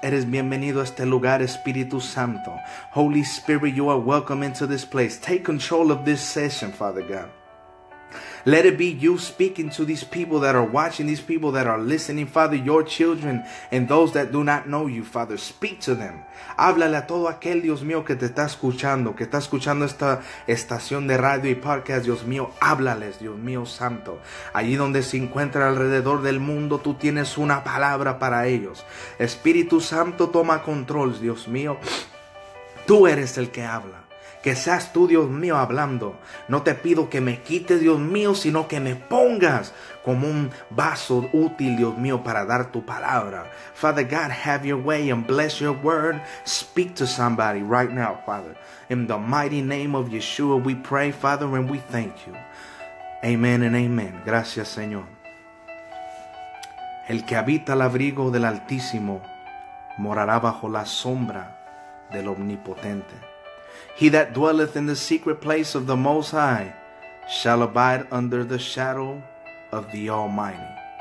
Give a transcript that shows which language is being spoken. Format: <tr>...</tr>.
<es>Eres bienvenido a este lugar, Espíritu Santo.</es> <en>Holy Spirit, you are welcome into this place. Take control of this session, Father God. Let it be you speaking to these people that are watching, these people that are listening, Father, your children and those that do not know you, Father. Speak to them.</en> <es>Háblale a todo aquel, Dios mío, que te está escuchando, que está escuchando esta estación de radio y podcast, Dios mío. Háblales, Dios mío santo. Allí donde se encuentra alrededor del mundo, tú tienes una palabra para ellos. Espíritu Santo, toma control, Dios mío. Tú eres el que habla. Que seas tú, Dios mío, hablando. No te pido que me quites, Dios mío, sino que me pongas como un vaso útil, Dios mío, para dar tu palabra.</es> <en>Father God, have your way and bless your word. Speak to somebody right now, Father. In the mighty name of Yeshua, we pray, Father, and we thank you. Amen and amen.</en> <es>Gracias, Señor. El que habita al abrigo del Altísimo morará bajo la sombra del Omnipotente.</es> <en>He that dwelleth in the secret place of the Most High shall abide under the shadow of the Almighty.</en>